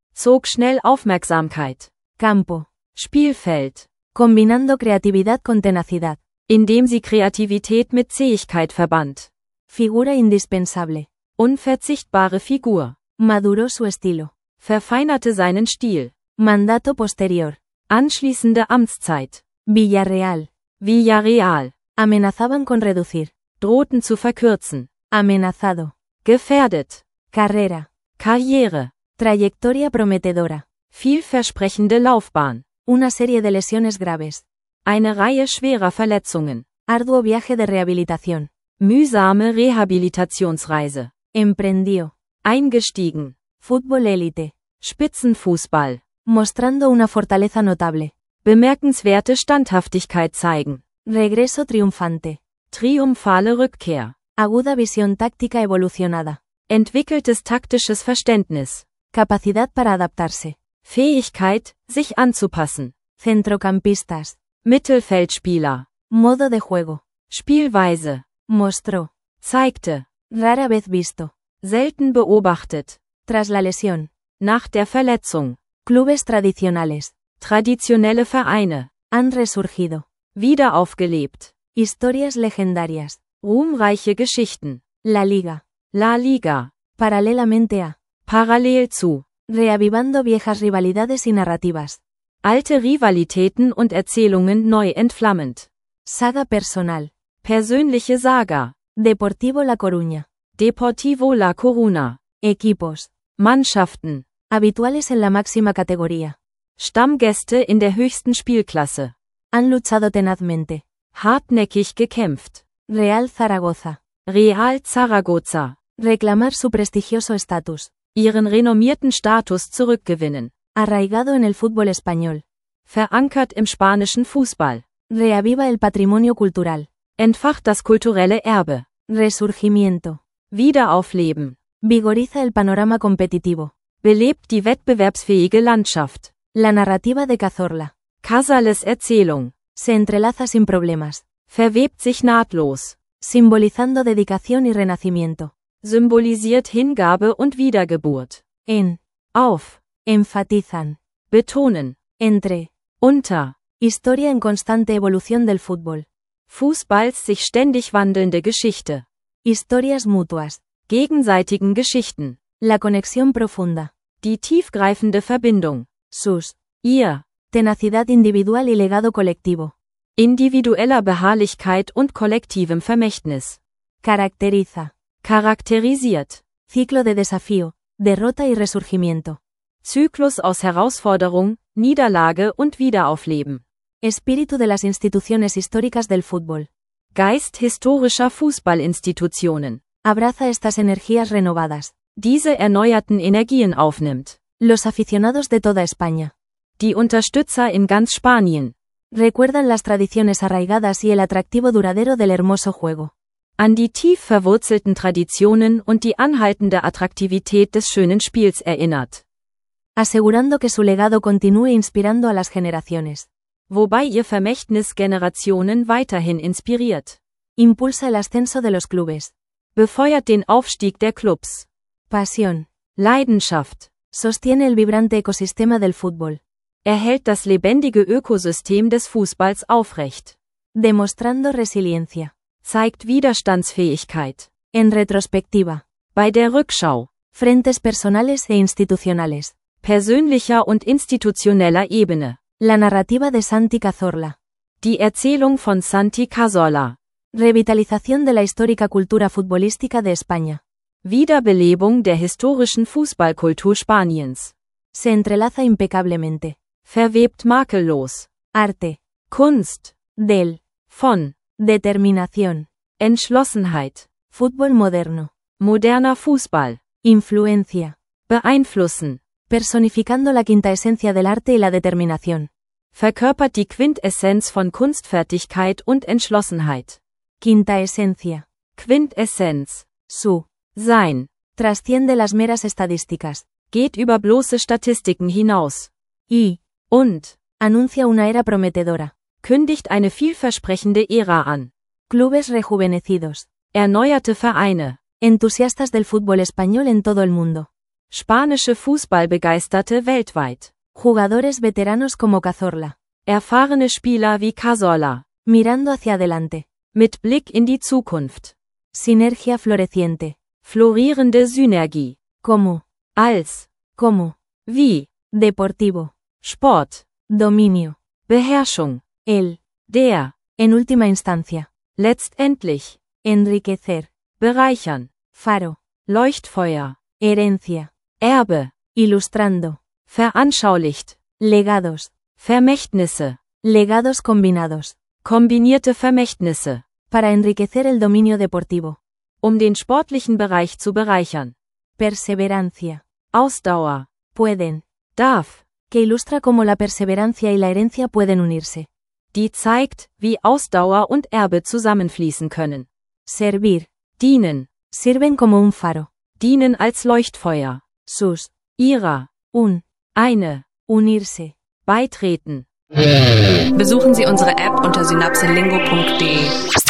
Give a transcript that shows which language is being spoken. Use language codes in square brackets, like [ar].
[de] Zog schnell Aufmerksamkeit. [es] Campo. [de] Spielfeld. [es] Combinando creatividad con tenacidad. [de] Indem sie Kreativität mit Zähigkeit verband. [es] Figura indispensable. [de] Unverzichtbare Figur. [es] Maduró su estilo. [de] Verfeinerte seinen Stil. [es] Mandato posterior. [de] Anschließende Amtszeit. [es] Villarreal. [de] Villarreal. [es] Amenazaban con reducir. [de] Drohten zu verkürzen. [es] Amenazado. [de] Gefährdet. [es] Carrera. [de] Karriere. [es] Trayectoria prometedora. [de] Vielversprechende Laufbahn. [es] Una serie de lesiones graves. [de] Eine Reihe schwerer Verletzungen. [es] Arduo viaje de rehabilitación. [de] Mühsame Rehabilitationsreise. [es] Emprendió. [de] Eingestiegen. [es] Fútbol élite. [de] Spitzenfußball. [es] Mostrando una fortaleza notable. [de] Bemerkenswerte Standhaftigkeit zeigen. [es] Regreso triunfante. [de] Triumphale Rückkehr. [es] Aguda visión táctica evolucionada. [de] Entwickeltes taktisches Verständnis. [es] Capacidad para adaptarse. [de] Fähigkeit, sich anzupassen. [es] Centrocampistas. [de] Mittelfeldspieler. [es] Modo de juego. [de] Spielweise. [es] Mostró. [de] Zeigte. [es] Rara vez visto. [de] Selten beobachtet. [es] Tras la lesión. [de] Nach der Verletzung. [es] Clubes tradicionales. [de] Traditionelle Vereine. [es] Han resurgido. [de] Wieder aufgelebt. [es] Historias legendarias. [de] Ruhmreiche Geschichten. [es] La Liga. [de] La Liga. [es] Paralelamente a. [de] Parallel zu. [es] Reavivando viejas rivalidades y narrativas. [de] Alte Rivalitäten und Erzählungen neu entflammend. [es] Saga personal. [de] Persönliche Saga. [es] Deportivo La Coruña. [de] Deportivo La Coruña. [es] Equipos. [de] Mannschaften. [es] Habituales en la máxima categoría. [de] Stammgäste in der höchsten Spielklasse. [es] Han luchado tenazmente. [de] Hartnäckig gekämpft. [es] Real Zaragoza. [de] Real Zaragoza. [es] Reclamar su prestigioso estatus. [de] Ihren renommierten Status zurückgewinnen. [es] Arraigado en el fútbol español. [de] Verankert im spanischen Fußball. [es] Reaviva el patrimonio cultural. [de] Entfacht das kulturelle Erbe. [es] Resurgimiento. [de] Wiederaufleben. [es] Vigoriza el panorama competitivo. [de] belebt die wettbewerbsfähige Landschaft. [es] La narrativa de Cazorla. [de] Casals Erzählung. [es] Se entrelaza sin problemas. [de] Verwebt sich nahtlos. [es] Simbolizando dedicación y renacimiento. [de] Symbolisiert Hingabe und Wiedergeburt. [es] En. [de] Auf. [es] Enfatizan. [de] Betonen. [es] Entre. [de] Unter. [es] Historia en constante evolución del fútbol. [de] Fußballs sich ständig wandelnde Geschichte. [es] Historias mutuas. [de] Gegenseitigen Geschichten. [es] La conexión profunda. [de] Die tiefgreifende Verbindung. [es] Sus. [de] Ihr. [es] Tenacidad individual y legado colectivo. [de] Individueller Beharrlichkeit und kollektivem Vermächtnis. [es] Caracteriza. [de] Charakterisiert. [es] Ciclo de desafío, derrota y resurgimiento. [de] Zyklus aus Herausforderung, Niederlage und Wiederaufleben. [es] Espíritu de las instituciones históricas del fútbol. [de] Geist historischer Fußballinstitutionen. [es] Abraza estas energías renovadas. [de] Diese erneuerten Energien aufnimmt. [es] Los aficionados de toda España. [de] Die Unterstützer in ganz Spanien. [es] Recuerdan las tradiciones arraigadas y el atractivo duradero del hermoso juego. [de] An die tief verwurzelten Traditionen und die anhaltende Attraktivität des schönen Spiels erinnert. [es] Asegurando que su legado continúe inspirando a las generaciones. [de] Wobei ihr Vermächtnis Generationen weiterhin inspiriert. [es] Impulsa el ascenso de los clubes. [de] Befeuert den Aufstieg der Clubs. [es] Pasión. [de] Leidenschaft. [es] Sostiene el vibrante ecosistema del fútbol. [de] Erhält das lebendige Ökosystem des Fußballs aufrecht. [es] Demostrando resiliencia. [de] Zeigt Widerstandsfähigkeit. [es] En retrospectiva. [de] Bei der Rückschau. [es] Frentes personales e institucionales. [de] Persönlicher und institutioneller Ebene. [es] La narrativa de Santi Cazorla. [de] Die Erzählung von Santi Cazorla. [es] Revitalización de la histórica cultura futbolística de España. [de] Wiederbelebung der historischen Fußballkultur Spaniens. [es] Se entrelaza impecablemente. [de] Verwebt makellos. [es] Arte. [de] Kunst. [es] Del. [de] Von. [es] Determinación. [de] Entschlossenheit. [es] Fútbol moderno. [de] Moderner Fußball. [es] Influencia. [de] Beeinflussen. [es] Personificando la quinta esencia del arte y la determinación. [de] Verkörpert die Quintessenz von Kunstfertigkeit und Entschlossenheit. [es] Quinta esencia. [de] Quintessenz. [es] Su. [de] Sein. [es] Trasciende las meras estadísticas. [de] Geht über bloße Statistiken hinaus. [es] Y. [de] Und. [es] Anuncia una era prometedora. [de] Kündigt eine vielversprechende Ära an. [es] Clubes rejuvenecidos. [de] Erneuerte Vereine. [es] Entusiastas del fútbol español en todo el mundo. [de] Spanische Fußballbegeisterte weltweit. [es] Jugadores veteranos como Cazorla. [de] Erfahrene Spieler wie Cazorla. [es] Mirando hacia adelante. [de] Mit Blick in die Zukunft. [es] Sinergia floreciente. [de] Florierende Synergie. [es] Como. [de] Als. [es] Como. [de] Wie. [es] Deportivo. [de] Sport. [es] Dominio. [de] Beherrschung. [es] El. [de] Der. [es] En última instancia. [de] Letztendlich. [es] Enriquecer. [de] Bereichern. [es] Faro. [de] Leuchtfeuer. [es] Herencia. [de] Erbe. [es] Ilustrando. [de] Veranschaulicht. [es] Legados. [de] Vermächtnisse. [es] Legados combinados. [de] Kombinierte Vermächtnisse. [es] Para enriquecer el dominio deportivo. [de] Um den sportlichen Bereich zu bereichern. [es] Perseverancia. [de] Ausdauer. [es] Pueden. [de] Darf. [es] Que ilustra cómo la perseverancia y la herencia pueden unirse. [de] Die zeigt, wie Ausdauer und Erbe zusammenfließen können. [es] Servir. [de] Dienen. [es] Sirven como un faro. [de] Dienen als Leuchtfeuer. [es] Sus. [de] Ihrer. [es] Un. [de] Eine. [es] Unirse. [de] Beitreten. Besuchen Sie unsere App unter synapselingo.de.